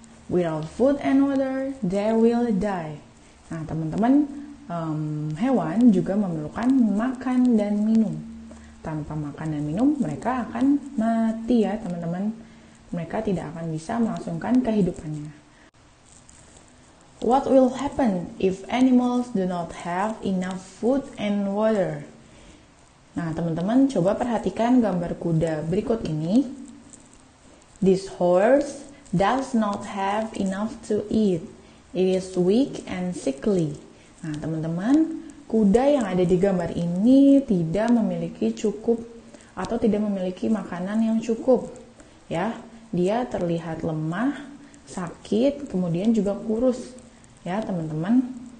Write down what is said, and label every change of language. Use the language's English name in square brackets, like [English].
[English] Without food and water, they will die. [Indonesian] Nah, teman-teman, hewan juga memerlukan makan dan minum. Tanpa makan dan minum, mereka akan mati ya teman-teman. Mereka tidak akan bisa melangsungkan kehidupannya. [English] What will happen if animals do not have enough food and water? [Indonesian] Nah, teman-teman, coba perhatikan gambar kuda berikut ini. [English] This horse does not have enough to eat. It is weak and sickly. [Indonesian] Nah, teman-teman, kuda yang ada di gambar ini tidak memiliki cukup atau tidak memiliki makanan yang cukup. Ya, dia terlihat lemah, sakit, kemudian juga kurus. Ya, teman-teman.